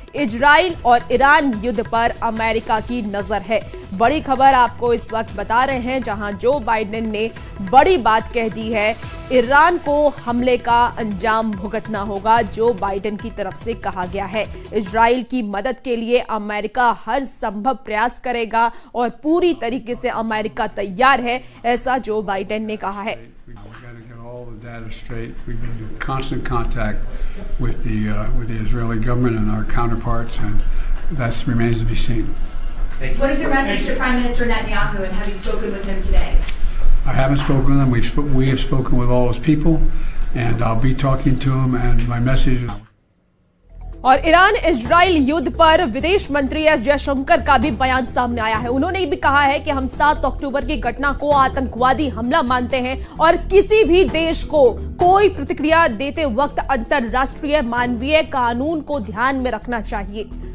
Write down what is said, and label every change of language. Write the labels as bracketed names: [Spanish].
[Hindi] Israel और Iran युद्ध पर अमेरिका की नजर है, बड़ी खबर आपको इस वक्त बता रहे हैं, जहां जो बाइडेन ने बड़ी बात कह दी है, ईरान को हमले का अंजाम भुगतना होगा, जो बाइडेन की तरफ से कहा गया है। इजराइल की मदद के लिए अमेरिका हर संभव प्रयास करेगा और पूरी तरीके से अमेरिका तैयार है, ऐसा जो बाइडेन ने कहा है। Data straight. [English] We've been in constant contact with the Israeli government and our counterparts, and that remains to be seen. What is your message to Prime Minister Netanyahu, and have you spoken with him today? I haven't spoken with him. We have spoken with all his people, and I'll be talking to him. And my message. [Hindi] और Iran Israel युद्ध पर विदेश मंत्री S Jaishankar का भी बयान सामने आया है। उन्होंने भी कहा है कि हम 7 अक्टूबर की घटना को आतंकवादी हमला मानते हैं और किसी भी देश को कोई प्रतिक्रिया देते वक्त अंतर्राष्ट्रीय मानवीय कानून को ध्यान में रखना चाहिए।